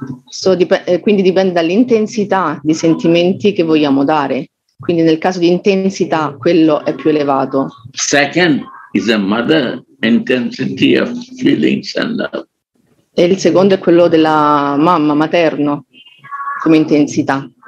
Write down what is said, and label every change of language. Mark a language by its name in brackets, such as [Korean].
[Italian] So quindi dipende dall'intensità di sentimenti che vogliamo dare. Quindi nel caso di intensità quello è più elevato. [English] Second is a mother intensity of feelings and love. [Italian] E il secondo è quello della mamma materno come intensità.